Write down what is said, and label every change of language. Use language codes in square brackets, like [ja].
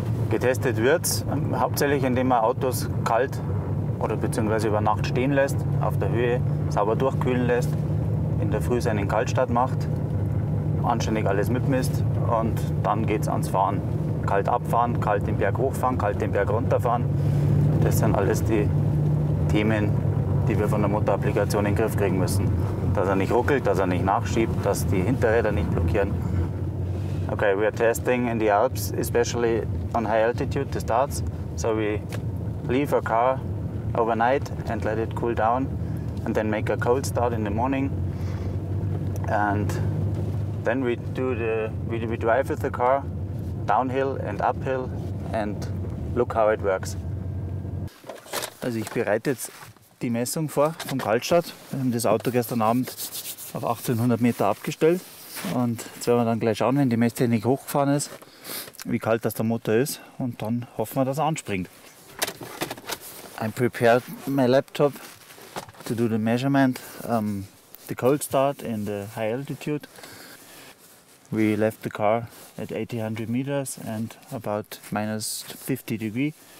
[de] Getestet wird es hauptsächlich, indem man Autos kalt oder beziehungsweise über Nacht stehen lässt, auf der Höhe sauber durchkühlen lässt, in der Früh seinen Kaltstart macht, anständig alles mitmisst und dann geht es ans Fahren. Kalt abfahren, kalt den Berg hochfahren, kalt den Berg runterfahren. Das sind alles die Themen, die wir von der Motorapplikation in den Griff kriegen müssen. Dass er nicht ruckelt, dass er nicht nachschiebt, dass die Hinterräder nicht blockieren. [en] Okay, we are testing in the Alps, especially on high altitude, the starts. So we leave a car overnight and let it cool down and then make a cold start in the morning. And then we drive with the car downhill and uphill and look how it works. [de] Also ich bereite jetzt die Messung vor vom Kaltstart. Wir haben das Auto gestern Abend auf 1800 Meter abgestellt. Und jetzt werden wir dann gleich schauen, wenn die Messtechnik hochgefahren ist, wie kalt das der Motor ist. Und dann hoffen wir, dass er anspringt. [en] I prepared my laptop to do the measurement, the cold start in the high altitude. We left the car at 1800 meters and about minus 50 degrees.